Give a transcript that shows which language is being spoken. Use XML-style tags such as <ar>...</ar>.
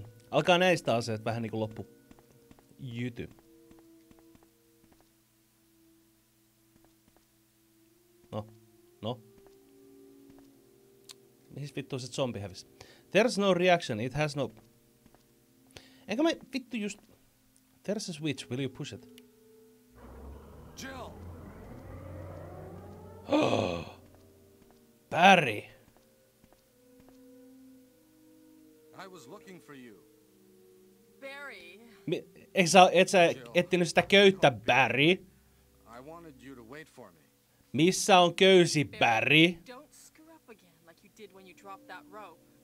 <fi>Alkaa näistä asioista vähän niinku loppu. Jyty. No. Mihin vittu se zombi hävisi?</fi> <en>There's no reaction, it has no...</en> <fi>Enkä mä vittu just...</fi> <en>There's a switch, will you push it? Jill! Barry! I was looking for you. Barry!</en> <fi>Et sä etsinyt sitä köyttä, Barry?</fi> <en>I wanted you to wait for me.</en> <fi>Missä on köysi, Barry?</fi> <en>Don't screw up again like you did when you dropped that rope.</en>